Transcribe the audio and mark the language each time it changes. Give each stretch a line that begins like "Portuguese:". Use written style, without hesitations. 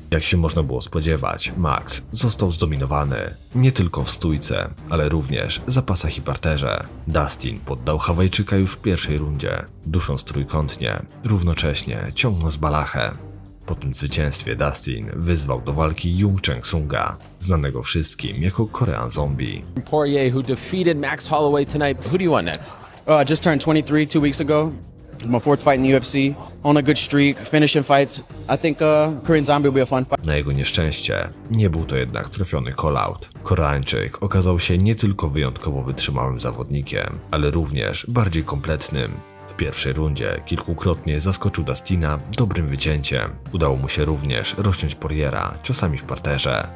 Polish: Jak się można było spodziewać, Max został zdominowany nie tylko w stójce, ale również w zapasach i parterze. Dustin poddał Hawajczyka już w pierwszej rundzie, dusząc trójkątnie, równocześnie ciągnąc balachę. Po tym zwycięstwie Dustin wyzwał do walki Jung Cheng-sunga, znanego wszystkim jako Korean Zombie.
English: Poirier, who defeated Max Holloway tonight, who do you want next? Oh, I just turned 23 two weeks ago. My fourth fight in the UFC. On a good streak, finishing fights. I think Korean Zombie will be a fun fight.
Polish: Na jego nieszczęście, nie był to jednak trafiony call-out. Koreańczyk okazał się nie tylko wyjątkowo wytrzymałym zawodnikiem, ale również bardziej kompletnym. W pierwszej rundzie kilkukrotnie zaskoczył Dustina dobrym wycięciem. Udało mu się również rozciąć Poiriera ciosami w parterze.